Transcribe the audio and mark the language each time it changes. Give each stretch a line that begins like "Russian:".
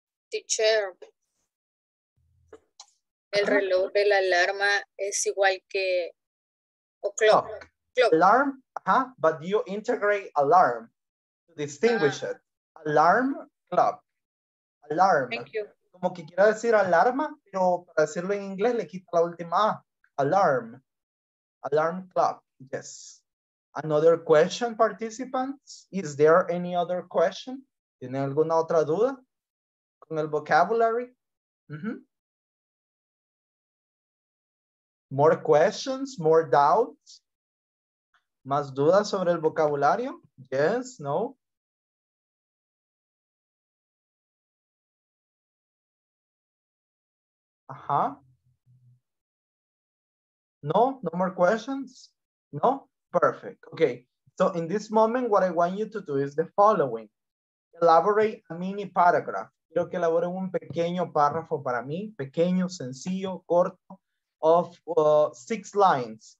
Spanish: Teacher, el reloj de la alarma es igual que clock.
English: Alarm, but you integrate alarm to distinguish it. Alarm, clock. Alarm. Thank you.
Spanish: Como que quiera decir alarma, pero para decirlo en inglés le quita la última A.
English: Alarm. Alarm, clock. Yes. Another question, participants. Is there any other question?
Spanish: ¿Tiene alguna otra duda? Con el vocabulary. Mm-hmm.
English: More questions, more doubts.
Spanish: Más dudas sobre el vocabulario.
English: Yes, no. Ajá. No, no more questions. No, perfect. Okay, so in this moment, what I want you to do is the following. Elaborate a mini paragraph.
Spanish: Quiero que elaboren un pequeño párrafo para mí, pequeño, sencillo, corto,
English: of 6 lines.